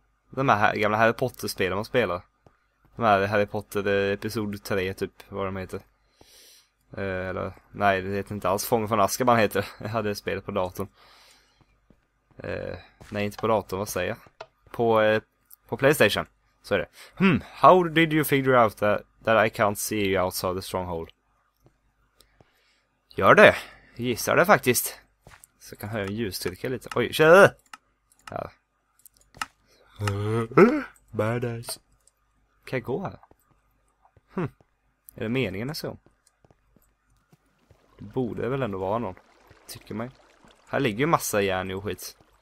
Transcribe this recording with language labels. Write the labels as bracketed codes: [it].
[sv] De här gamla Harry Potter-spelen man spelar. De här Harry Potter episod 3, typ, vad de heter. Eller, nej, det heter inte alls Fången från Azkaban heter. Jag hade spelet på datorn. Nej, inte på datorn, vad säger jag? På PlayStation. Så är det. [en] Hmm, how did you figure out that I can't see you outside the stronghold? [sv] Gör det. Gissar det faktiskt. Så jag kan höja ljusstyrka lite. Oj, tjej! Ja. [en] Badass. [sv] Kan jag gå här? Hmm. Är det meningen så? Det borde väl ändå vara någon. Tycker man. Här ligger ju massa järn och skit.